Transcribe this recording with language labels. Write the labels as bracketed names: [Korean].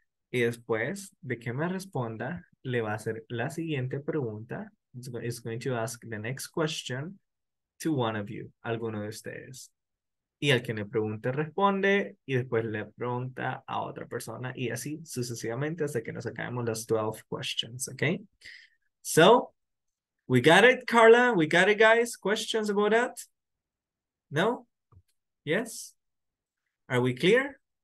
[Spanish] Y después de que me responda, le va a hacer la siguiente pregunta. [English] It's going to ask the next question to one of you, [Spanish] alguno de ustedes. Y al que me pregunte, responde. Y después le pregunta a otra persona. Y así sucesivamente hasta que nos acabemos las 12 questions, ¿ok? [English] So, we got it, Carla. We got it, guys. Questions about that? No? Yes? Are we clear?